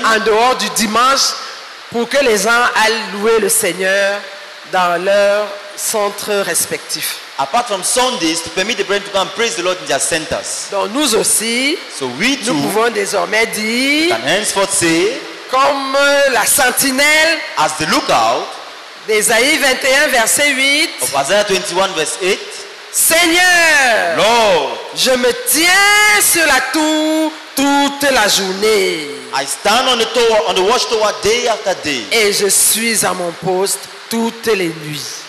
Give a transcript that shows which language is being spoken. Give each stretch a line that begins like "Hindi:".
French: En dehors du dimanche, pour que les gens aillent louer le Seigneur dans leur centre respectif.
English: Apart from Sundays, to permit the brethren to come praise the Lord in their centers.
French: Donc nous aussi,
English: so we too,
French: nous pouvons désormais dire,
English: we can henceforth say,
French: comme la sentinelle,
English: as the lookout,
French: d'Ésaïe 21, verset 8,
English: of Isaiah 21, verse 8,
French: Seigneur,
English: Lord,
French: je me tiens sur la tour toute la journée.
English: I stand on the tower, on the watchtower day after day.
French: Et je suis à mon poste toutes les nuits.